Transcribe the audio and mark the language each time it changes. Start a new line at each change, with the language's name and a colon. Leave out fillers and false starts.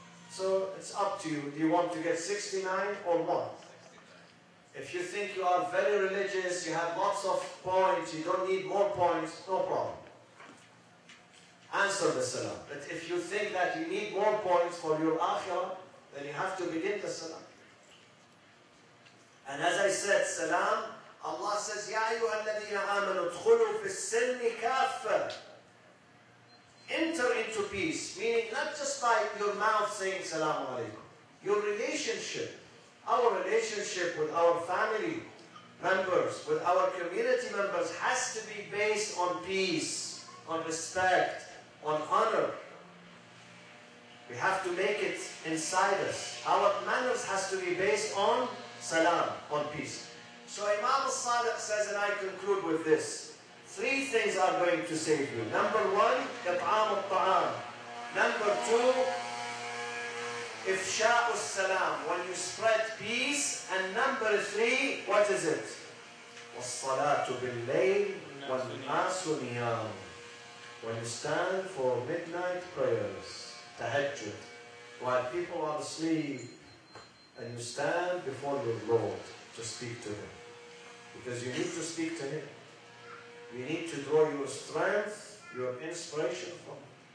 English: So it's up to you. Do you want to get 69 or what? If you think you are very religious, you have lots of points, you don't need more points, no problem. Answer the salam. But if you think that you need more points for your akhirah, then you have to begin the salam. And as I said, salam, Allah says,
Arabic: يَا أَيُّهَا الَّذِينَ آمَنُوا ادْخُلُوا فِي السِّلْمِ كَافَّةً.
English: Enter into peace, meaning not just by your mouth saying salamu alaykum. Your relationship, our relationship with our family members, with our community members, has to be based on peace, on respect, on honor. We have to make it inside us. Our manners has to be based on salam, on peace. So Imam al-Sadiq says, and I conclude with this, three things are going to save you. Number one,
Arabic: إطعام الطعام.
English: Number two,
Arabic: إفشاء السلام.
English: When you spread peace. And number three, what is it?
Arabic: والصلاة بالليل والناس نيام.
English: When you stand for midnight prayers, tahajjud, while people are asleep, and you stand before your Lord to speak to Him. Because you need to speak to Him. You need to draw your strength, your inspiration from it.